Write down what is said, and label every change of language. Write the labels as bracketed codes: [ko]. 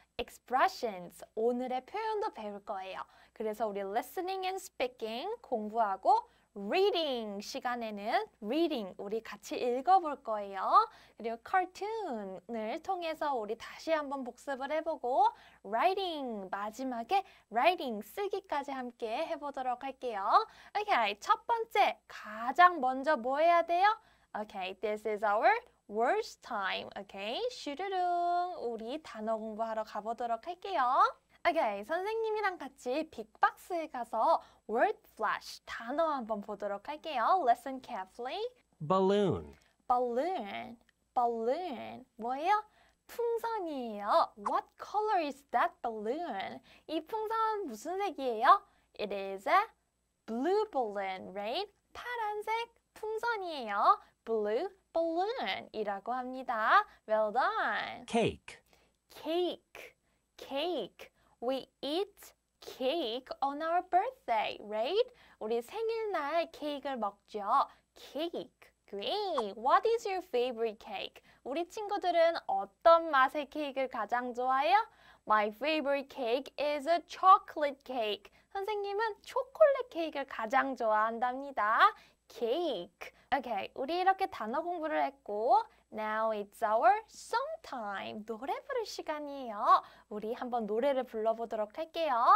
[ko] expressions 오늘의 표현도 배울 거예요. 그래서 우리 [en] listening and speaking [ko] 공부하고 reading 시간에는 reading 우리 같이 읽어볼 거예요. 그리고 cartoon을 통해서 우리 다시 한번 복습을 해보고 writing 마지막에 writing 쓰기까지 함께 해보도록 할게요. Okay, 첫 번째 가장 먼저 뭐 해야 돼요? [en] Okay, this is our words time. [ko] Okay, 슈르릉 우리 단어 공부하러 가보도록 할게요. Okay, 선생님이랑 같이 빅박스에 가서 word flash 단어 한번 보도록 할게요. [en] Listen carefully. Balloon. Balloon, balloon. [ko] 뭐예요? 풍선이에요. [en] What color is that balloon? [ko] 이 풍선 무슨 색이에요? [en] It is a blue balloon, right? [ko] 파란색 풍선이에요. Blue balloon이라고 합니다. [en] Well done. Cake. Cake, cake. We eat cake on our birthday, right? [ko] 우리 생일날 케이크를 먹죠. [en] Cake. Great. What is your favorite cake? [ko] 우리 친구들은 어떤 맛의 케이크를 가장 좋아해요? [en] My favorite cake is a chocolate cake. [ko] 선생님은 초콜릿 케이크를 가장 좋아한답니다. [en] Cake. Okay. [ko] 우리 이렇게 단어 공부를 했고, [en] Now it's our song time. [ko] 노래 부를 시간이에요. 우리 한번 노래를 불러보도록 할게요.